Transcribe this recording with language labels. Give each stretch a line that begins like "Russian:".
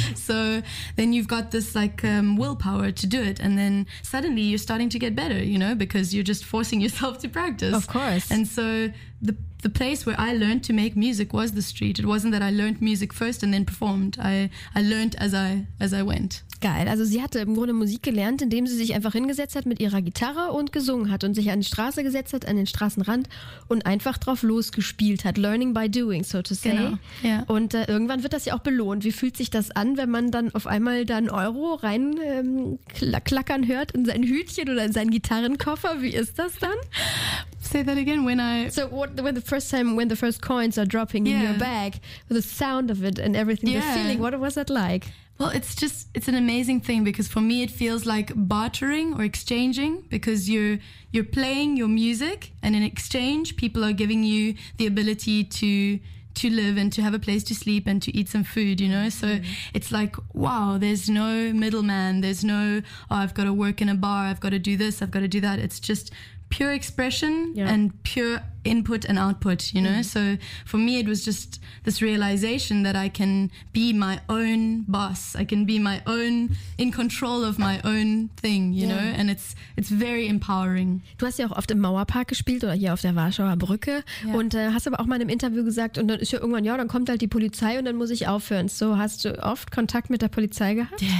English: So then you've got this like willpower to do it. And then suddenly you're starting to get better, you know, because you're just forcing yourself to practice. Of course. And so the place where I learned to make music was the street. It wasn't that I learned music first and then performed. I learned as I went.
German: Geil. Also sie hatte im Grunde Musik gelernt, indem sie sich einfach hingesetzt hat mit ihrer Gitarre und gesungen hat und sich an die Straße gesetzt hat, an den Straßenrand und einfach drauf losgespielt hat.
English: Learning by doing, so to say.
German: Genau. Ja. Und irgendwann wird das ja auch belohnt. Wie fühlt sich das an, wenn man dann auf einmal da einen Euro rein klackern hört in sein Hütchen oder in seinen Gitarrenkoffer? Wie ist das dann?
English: Say that again, when I... So when the first coins are dropping in your bag, the sound of it and everything, the feeling, what was that like? Well, it's an amazing thing because for me it feels like bartering or exchanging because you're playing your music and in exchange people are giving you the ability to live and to have a place to sleep and to eat some food, you know? So it's like, wow, there's no middleman, there's no, oh, I've got to work in a bar, I've got to do this, I've got to do that. It's just... pure expression and pure input and output, you know? Mm. So for me, it was just this realization that I can be my own boss. I can be my own, in control of my own thing, you know? And it's very empowering.
German: Du hast ja auch oft im Mauerpark gespielt oder hier auf der Warschauer Brücke und hast aber auch mal in einem Interview gesagt, und dann ist ja irgendwann, ja, dann kommt halt die Polizei und dann muss ich aufhören. So, hast du oft Kontakt mit der Polizei gehabt?